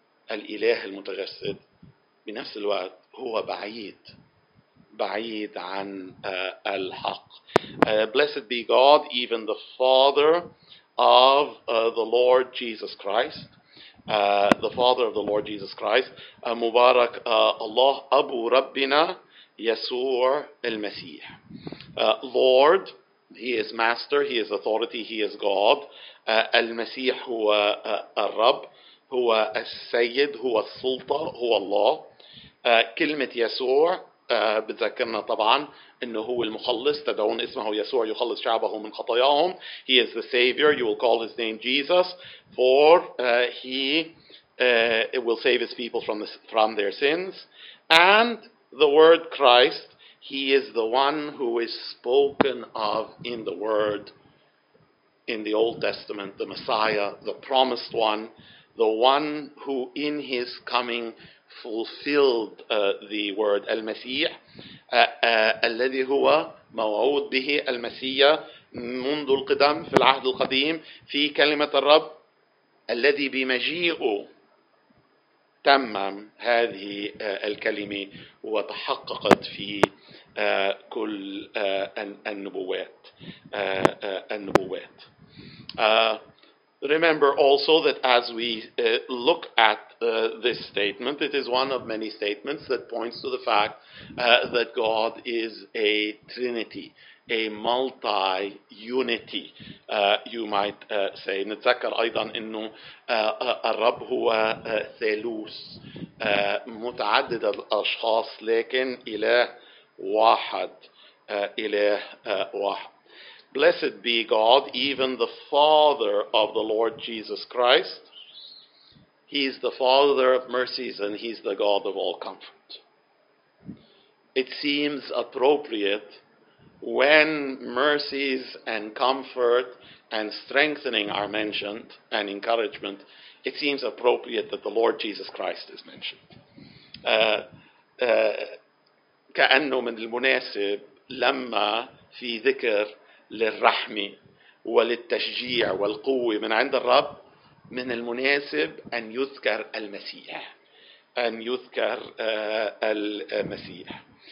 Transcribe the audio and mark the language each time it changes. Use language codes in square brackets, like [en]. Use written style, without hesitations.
[ar] الإله المتجسد بنفس الوقت هو بعيد بعيد عن الحق. [en] Blessed be God, even the Father of the Lord Jesus Christ. The Father of the Lord Jesus Christ. [ar] مبارك الله أبو ربنا يسوع المسيح. [en] Lord, He is Master, He is Authority, He is God. [ar] المسيح هو الرب, هو السيد, هو السلطة, هو الله. كلمة يسوع بتذكرنا طبعا أنه هو المخلص, تدعون اسمه يسوع يخلص شعبه من خطاياهم. [en] He is the Savior, you will call His name Jesus, for He will save His people from their sins. And the word Christ, He is the one who is spoken of in the Word in the Old Testament, the Messiah, the Promised One, the one who in His coming fulfilled the word المسيح [ar] الذي هو موعود به المسيح منذ القدم في العهد القديم في كلمة الرب الذي بمجيئه تمم هذه الكلمة وتحققت في كل النبوات النبوات. [en] Remember also that as we look at this statement, it is one of many statements that points to the fact that God is a Trinity, a multi-unity, you might say. [ar] نتذكر أيضا أنه الرب هو ثالوث, متعدد الأشخاص لكن إله واحد, إله واحد. [en] Blessed be God, even the Father of the Lord Jesus Christ. He's the Father of mercies and He's the God of all comfort. It seems appropriate when mercies and comfort and strengthening are mentioned and encouragement, it seems appropriate that the Lord Jesus Christ is mentioned. [ar] كأنه من المناسب لما في ذكر للرحمة وللتشجيع والقوة من عند الرب من المناسب أن يذكر المسيح, أن يذكر المسيح.